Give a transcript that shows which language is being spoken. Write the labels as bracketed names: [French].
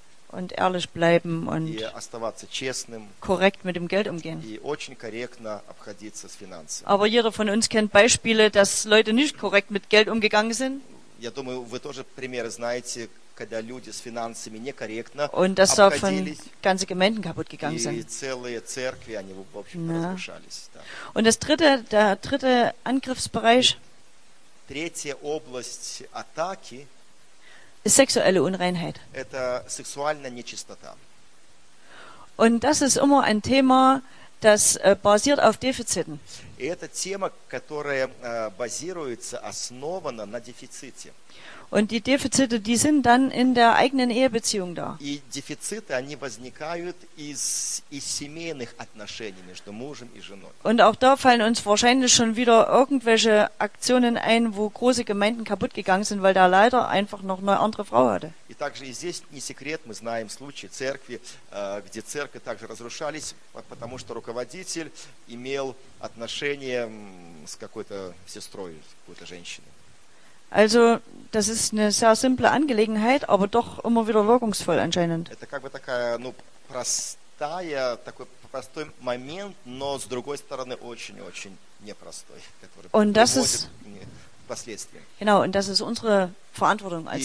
[German] Und ehrlich bleiben und [Russian] и оставаться честным. [German] Korrekt mit dem Geld umgehen. [Russian] И очень корректно обходиться с финансами. [German] Aber jeder von uns kennt Beispiele, dass Leute nicht korrekt mit Geld umgegangen sind. [Russian] Я думаю, вы тоже примеры знаете, когда люди с финансами некорректно [German] und dass davon ganze Gemeinden kaputt gegangen sind. [Russian] И целые церкви, они в общем разрушались. Да. [German] Und das dritte, der dritte Angriffsbereich. [Russian] Третья область атаки. Сексуальная [German] Unreinheit. [Russian] Это сексуальная нечистота. [German] Und das ist immer ein Thema, das basiert auf Defiziten. [Russian] И это тема, которая базируется, основана на дефиците. [German] Und die Defizite, die sind dann in der eigenen Ehebeziehung da. [Russian] И дефициты, они возникают из семейных отношений между мужем и женой. [German] Und auch da fallen uns wahrscheinlich schon wieder irgendwelche Aktionen ein, wo große Gemeinden kaputt gegangen sind, weil der Leiter einfach noch eine andere Frau hatte. [Russian] И также и здесь не секрет, мы знаем случаи церкви, где церкви также разрушались, потому что руководитель имел отношения с какой-то сестрой, с какой-то женщиной. [German] Also, das ist eine sehr simple Angelegenheit, aber doch immer wieder wirkungsvoll anscheinend. [Russian] Это как бы такая, простая, такой простой момент, но с другой стороны очень-очень непростой, который [German] und das ist, [Russian] последствия. [German] Genau, und das ist unsere Verantwortung als